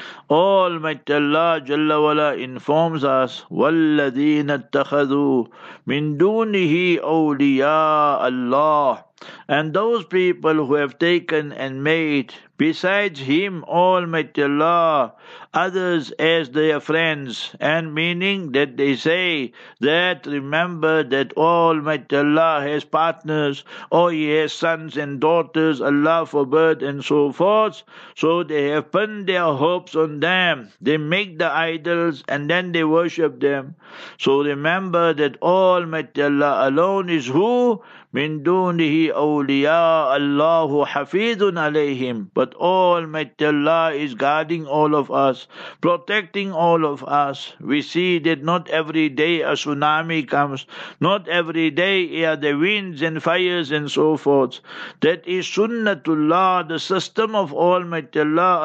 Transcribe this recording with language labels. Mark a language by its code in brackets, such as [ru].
[en] Almighty Allah Jalla Wala informs us, [ar] وَالَّذِينَ اتَّخَذُوا مِن دُونِهِ أَوْلِيَاءَ اللَّهِ, [en] and those people who have taken and made besides him, Almighty Allah, others as their friends, and meaning that they say that, remember that Almighty Allah has partners, or he has sons and daughters, Allah forbid, and so forth. So they have pinned their hopes on them. They make the idols and then they worship them. So remember that Almighty Allah alone is who? [ar] من دونه أولياء الله حفيظ عليهم. [en] But Almighty Allah is guarding all of us, protecting all of us. We see that not every day a tsunami comes, not every day are the winds and fires and so forth. That is Sunnatullah, the system of Almighty Allah.